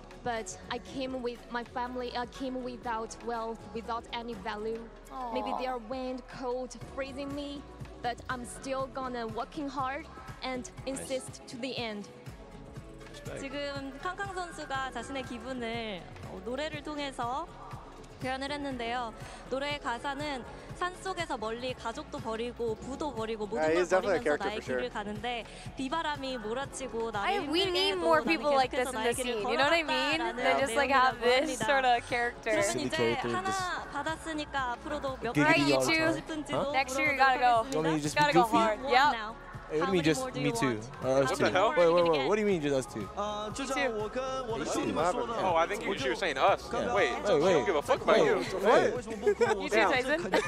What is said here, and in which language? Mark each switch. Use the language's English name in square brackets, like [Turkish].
[English] But I came with my family. I came without wealth, without any value. Aww. Maybe there are wind, cold, freezing me. But I'm still gonna working hard and insist nice. To the end. Respect. [Korean] 지금 캉캉 선수가 자신의 기분을 노래를 통해서 표현을 했는데요. 노래의 가사는 산 속에서 멀리 가족도 버리고 부도 버리고 모든 걸 버리면서 나의 길을 [English] sure. [Korean] 가는데 비바람이 몰아치고 나의 [English] We need more people like this in the scene. You know what I mean? They just like have this sort of character. [Korean] 그러면 이제 하나 받았으니까 앞으로도 몇 번 더 하고 싶은지도 [English] Next year you gotta go. You gotta just go hard. Yep. Hey, what do you mean just me too? Or us two? Wait, what do you mean just us two? Oh, I think you're saying us. Wait. Don't give a fuck about you. What? You too, Tyson.